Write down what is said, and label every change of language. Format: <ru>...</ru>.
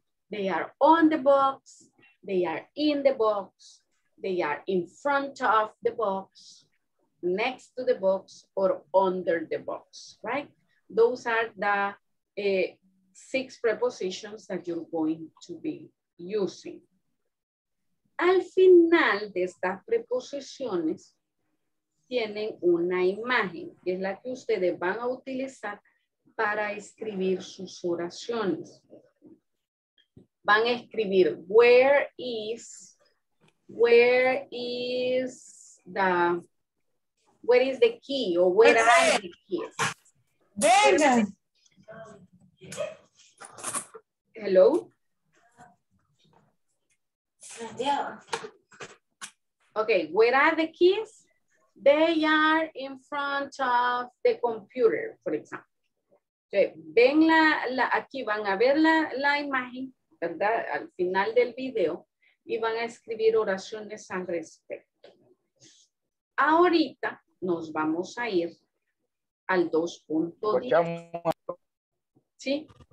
<en>They are on the box. They are in the box. They are in front of the box, next to the box, or under the box, right? Those are the six prepositions that you're going to be using.</en> <es>Al final de estas preposiciones, tienen una imagen, que es la que ustedes van a utilizar para escribir sus oraciones. Van a escribir</es> <en>where are the keys?</en> <es>Venga.</es> <en>Hello. Okay, where are the keys? They are in front of the computer, for example.</en> <es>Ven la aquí van a ver la imagen, ¿verdad? Al final del video y van a escribir oraciones al respecto. Ahorita nos vamos a ir al 2.10. ¿Sí?</es>